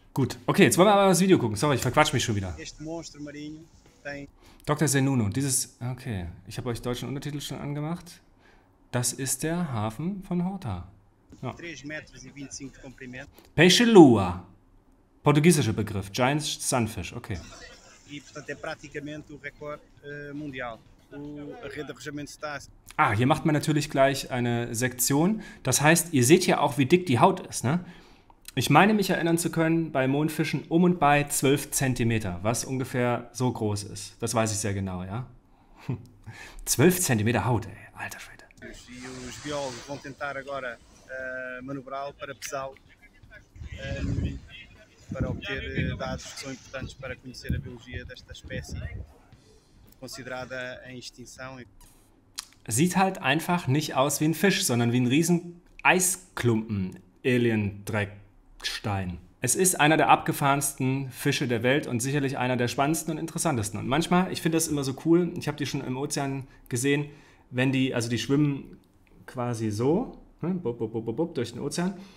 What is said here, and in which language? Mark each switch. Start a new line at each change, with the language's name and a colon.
German: Gut, okay, jetzt wollen wir aber das Video gucken. Sorry, ich verquatsch mich schon wieder.
Portuguese: Este monstro marinho tem. Dr.
German: Zenuno, okay, ich habe euch deutschen Untertitel schon angemacht. Das ist der Hafen von Horta. Ja.
Portuguese: 3,25 Meter comprimento. Peixe Lua.
German: Portugiesischer Begriff.
English: Giant Sunfish, okay.
Portuguese: E, portanto, é praticamente o recorde mundial. A rede de arrojamento está.
German: Ah, hier macht man natürlich gleich eine Sektion. Das heißt, ihr seht hier auch, wie dick die Haut ist, ne? Ich meine mich erinnern zu können, bei Mondfischen um und bei 12 cm, was ungefähr so groß ist. Das weiß ich sehr genau, ja? 12 cm Haut, ey, alter Schwede.
Portuguese: E os biólogos vão tentar agora manobrá-lo para pesá-lo, para obter dados que são importantes para conhecer a biologia desta espécie, considerada em extinção.
German: Sieht halt einfach nicht aus wie ein Fisch, sondern wie ein riesen Eisklumpen-Alien-Dreckstein. Es ist einer der abgefahrensten Fische der Welt und sicherlich einer der spannendsten und interessantesten. Und manchmal, ich finde das immer so cool, ich habe die schon im Ozean gesehen, wenn die, also die schwimmen quasi so, ne, bup, bup, bup, bup, durch den Ozean.